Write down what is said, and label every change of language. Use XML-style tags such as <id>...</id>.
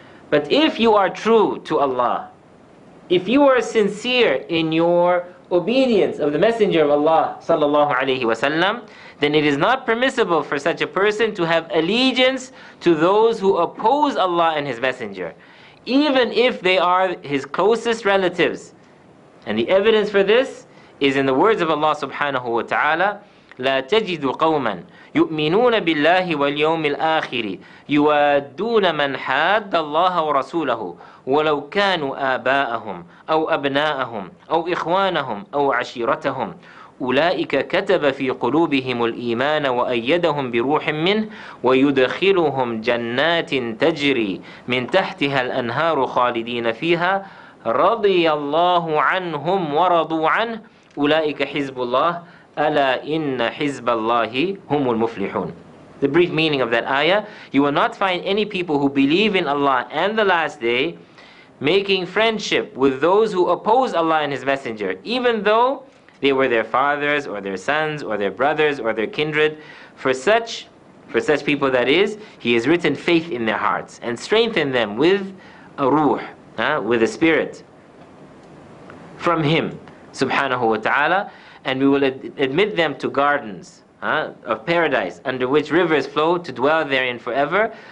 <en>But if you are true to Allah, if you are sincere in your obedience of the Messenger of Allah sallallahu alaihi wasallam, then it is not permissible for such a person to have allegiance to those who oppose Allah and his Messenger, even if they are his closest relatives. And the evidence for this is in the words of Allah subhanahu wa ta'ala,</en> <ar>لا تجد قوما يؤمنون بالله واليوم الآخر يوادون من حاد الله ورسوله ولو كانوا آباءهم أو أبناءهم أو إخوانهم أو عشيرتهم أولئك كتب في قلوبهم الإيمان وأيدهم بروح منه ويدخلهم جنات تجري من تحتها الأنهار خالدين فيها رضي الله عنهم ورضوا عنه أولئك حزب الله ألا إن حزب الله هم المفلحون.</ar> <en>The brief meaning of that ayah, you will not find any people who believe in Allah and the last day making friendship with those who oppose Allah and His Messenger, even though they were their fathers or their sons or their brothers or their kindred. For such people, that is, He has written faith in their hearts and strengthened them with a ruh, with a spirit from Him, subhanahu wa ta'ala, and we will admit them to gardens of paradise under which rivers flow to dwell therein forever.</en>